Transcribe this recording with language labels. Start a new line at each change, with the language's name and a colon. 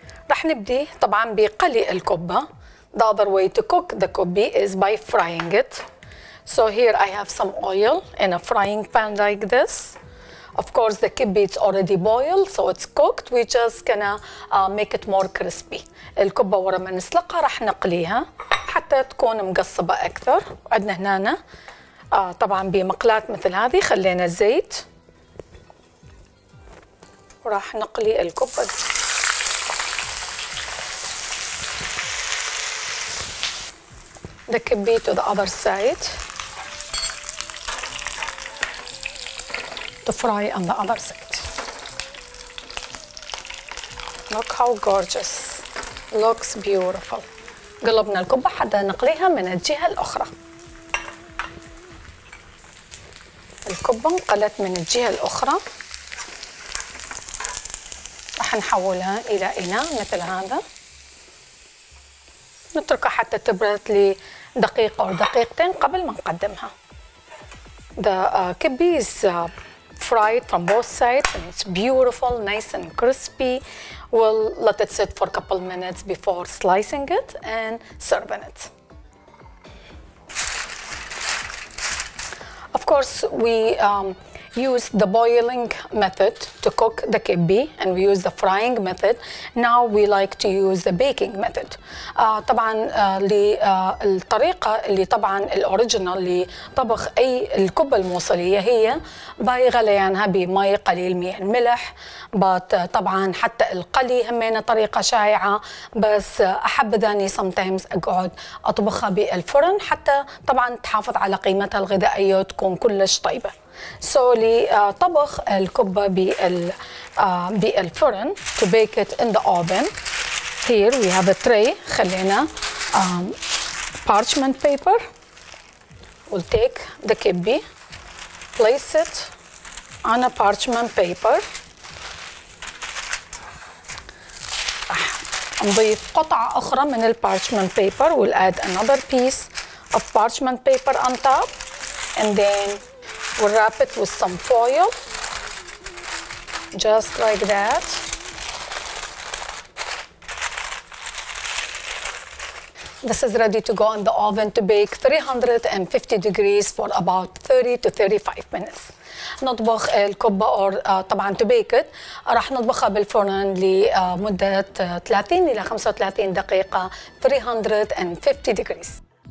Arabic: رح نبدي طبعا بقلي الكبة.
English: The other way to cook the kobi is by frying it. So here I have some oil in a frying pan like this. Of course the kibbe is already boiled, so it's cooked. We just gonna make it more crispy.
Arabic: الكبة ورا ما نسلقها رح نقليها حتى تكون مقصبة أكثر. عندنا هنا طبعا بمقلاة مثل هذه خلينا الزيت وراح نقلي الكبة.
English: The kibbe to the other side. The fry on the other side. Look how gorgeous. Looks beautiful.
Arabic: قلبنا الكبة حتى نقليها من الجهة الأخرى. الكبة انقلت من الجهة الأخرى. راح نحولها إلى إناء مثل هذا. نتركها حتى تبرد لي دقيقة أو دقيقتين قبل ما نقدمها.
English: The kibbe is fried from both sides and it's beautiful, nice and crispy. We'll let it sit for a couple minutes before slicing it and serving it. Of course, we use the boiling method to cook the kibbe and we use the frying method. Now we like to use the baking method.
Arabic: طبعا الطريقة اللي طبعا الأوريجينال لطبخ أي الكبة الموصلية هي باي غليانها بماء قليل من الملح.
English: But
Arabic: طبعا حتى القلي همينة طريقة شائعة، بس أحب ذاني sometimes أقعد أطبخها بالفرن حتى طبعا تحافظ على قيمتها الغذائية وتكون كلش طيبة.
English: So
Arabic: لطبخ الكبة بالفرن
English: to bake it in the oven. Here we have a tray. خلينا parchment paper. We'll take the kibbe, place it on a parchment paper.
Arabic: نضيف قطعة أخرى من الparchment paper.
English: We'll add another piece of parchment paper on top and then we'll wrap it with some foil, just like that. This is ready to go in the oven to bake 350 degrees for about 30 to 35 minutes.
Arabic: نطبخ الكبة or طبعا
English: to bake it
Arabic: راح نطبخها بالفرن لمدة 30 إلى 35 دقيقة
English: 350 degrees.